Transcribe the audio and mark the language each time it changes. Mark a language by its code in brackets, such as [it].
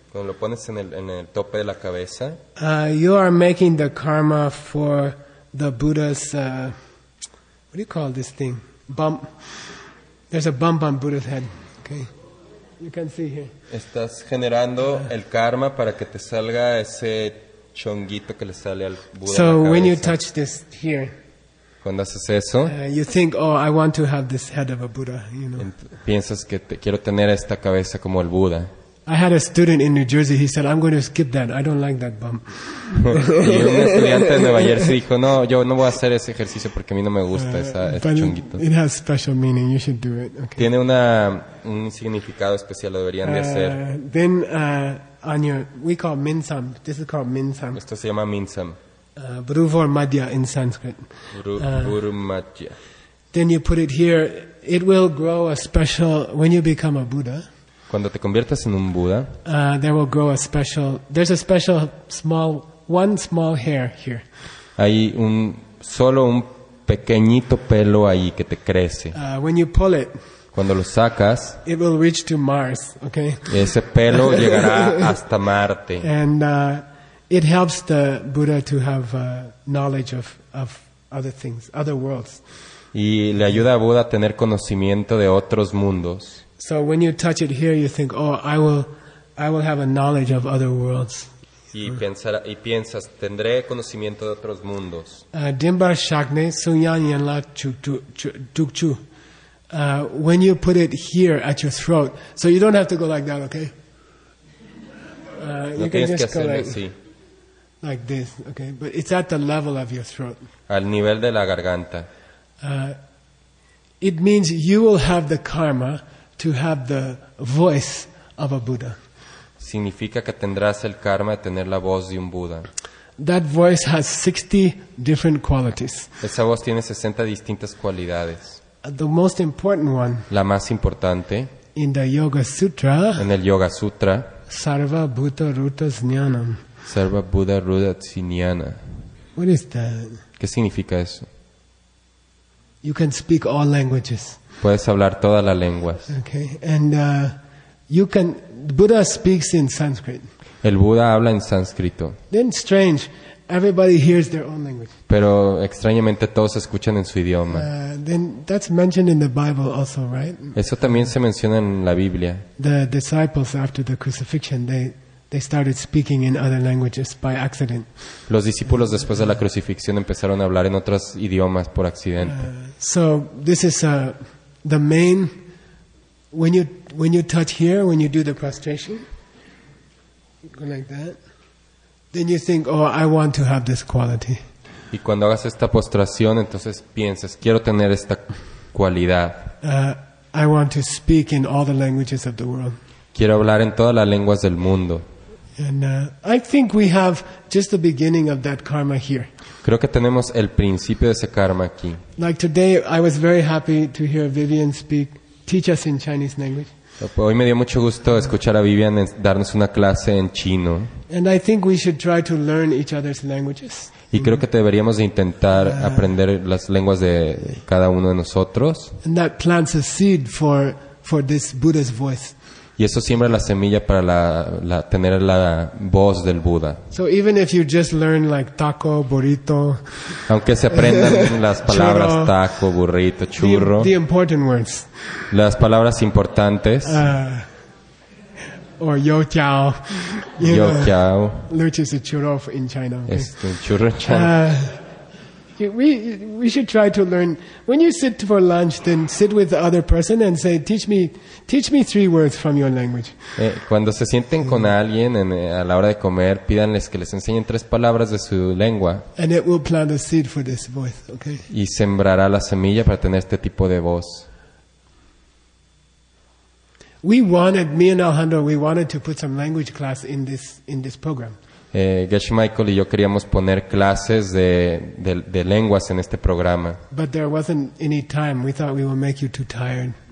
[es] Cuando lo pones en el tope de la cabeza. [en] You are making the karma for the Buddha's what do you call this thing? Bump. There's a bump on Buddha's head. Okay. You can see here. [es] Estás generando el karma para que te salga ese chonguito que le sale al Buda. [en] So [es] en la [en] when you touch this here. [es] Cuando haces eso. [en] You think, "Oh, I want to have this head of a Buddha," you know. [es] Piensas que quiero tener esta cabeza como el Buda. [en] I had a student in New Jersey. He said, "I'm going to skip that. I don't like that bump." [es] Y un estudiante de Nueva Jersey dijo, "No, yo no voy a hacer ese ejercicio porque a mí no me gusta ese chonguito." [en] It has special meaning. You should do it. Okay. [es] Tiene un significado especial. Lo deberían de hacer. [en] Then on your, we call minsam. This is called minsam. [es] Esto se llama minsam. [en] Bruvor madhya in Sanskrit. [sa] Bruvor madhya. [en] Then you put it here. It will grow a special when you become a Buddha. [es] Cuando te conviertas en un Buda, [en] there will grow a special. There's a special small, one small hair here. [es] Hay solo un pequeñito pelo ahí que te crece. [en] When you pull it, [es] cuando lo sacas, [en] it will reach to Mars. Okay. [es] Ese pelo llegará hasta Marte. [en] And it helps the Buddha to have knowledge of other things, other worlds. [es] Y le ayuda a Buda a tener conocimiento de otros mundos. [en] So when you touch it here, you think, "Oh, I will have a knowledge of other worlds." [es] Y piensas, tendré conocimiento de otros mundos. [bo] Dimbar shakne sunyan yenla chukchu. [en] When you put it here at your throat, so you don't have to go like that, okay? You no can just go like this, okay? But it's at the level of your throat. [es] Al nivel de la garganta. [en] It means you will have the karma to have the voice of a Buddha. [es] Significa que tendrás el karma de tener la voz de un Buda. [en] That voice has 60 different qualities. [es] Esa voz tiene 60 distintas cualidades. [en] The most important one. [es] La más importante. [en] In the Yoga Sutra. [es] En el Yoga Sutra. [sa] Sarva Bhuta Ruta Jnanam. Sarva Buddha Ruta Jnana. [en] What is that? [es] ¿Qué significa eso? [en] You can speak all languages. [es] Puedes hablar todas las lenguas. [en] Okay, and you can. Buddha speaks in Sanskrit. [es] El Buda habla en sánscrito. [en] Then strange, everybody hears their own language. [es] Pero extrañamente todos escuchan en su idioma. [en] Then that's mentioned in the Bible also, right? [es] Eso también se menciona en la Biblia. [en] The disciples after the crucifixion, they started speaking in other languages by accident. [es] Los discípulos después de la crucifixión empezaron a hablar en otros idiomas por accidente. [en] So this is a the main when you touch here, when you do the prostration, go like that, then you think, "Oh, I want to have this quality." [es] Y cuando hagas esta postración, entonces piensas, quiero tener esta cualidad. [en] I want to speak in all the languages of the world. [es] Quiero hablar en todas las lenguas del mundo. [en] And I think we have just the beginning of that karma here. [es] Creo que tenemos el principio de ese karma aquí. [en] Like today, I was very happy to hear Vivian speak, teach us in Chinese language. [es] Hoy me dio mucho gusto escuchar a Vivian darnos una clase en chino. [en] And I think we should try to learn each other's languages. [es] Y creo que deberíamos de intentar aprender las lenguas de cada uno de nosotros. [en] And that plants a seed for this Buddha's voice. [es] Y eso siembra la semilla para la tener la voz del Buda. [en] So even if you just learn like taco, burrito, [es] aunque se aprendan las palabras churro, taco, burrito, churro, [en] the important words, [es] las palabras importantes, [en] or yo chao, [zh] yo chao, [en] which is a churro in China. Okay? [es] Es un churro chao. [en] We should try to learn. When you sit for lunch, then sit with the other person and say, teach me three words from your language. [es] Cuando se sienten con alguien a la hora de comer, pídanles que les enseñen tres palabras de su lengua. [en] And it will plant a seed for this voice, okay? [es] Y sembrará la semilla para tener este tipo de voz. [en] Me and Alejandro wanted to put some language class in this program. [es] Geshe Michael y yo queríamos poner clases de lenguas en este programa. [en] But there wasn't any time. We thought we would make you too tired.